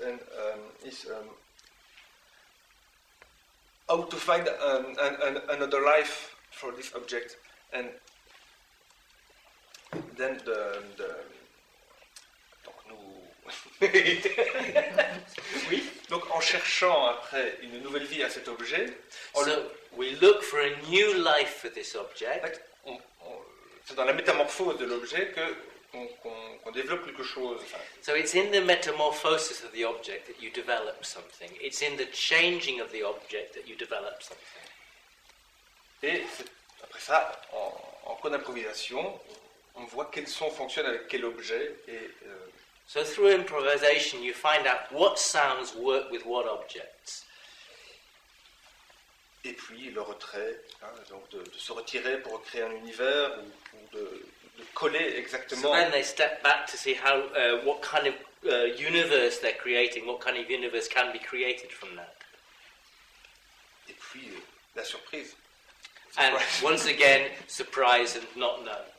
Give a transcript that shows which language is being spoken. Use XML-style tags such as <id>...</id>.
<en>And it's how to find another life for this object, and then the</en> <fr>donc nous. Oui. Donc, en cherchant après une nouvelle vie à cet objet,</fr> <en>we look for a new life for this object.</en> <fr>En fait, c'est dans la métamorphose de l'objet que qu'on développe quelque chose.</fr> <en>So it's in the metamorphosis of the object that you develop something. It's in the changing of the object that you develop something.</en> <fr>Et après ça, en co-improvisation, on voit quels sons fonctionnent avec quel objet et</fr> <en>So through improvisation, you find out what sounds work with what objects.</en> <fr>Et puis le retrait, hein, donc de se retirer pour créer un univers ou de coller exactement.</fr> <en>So then they step back to see how what kind of universe they're creating, what kind of universe can be created from that.</en> <fr>Et puis la surprise.</fr> <en>And once again, surprise and not known.</en>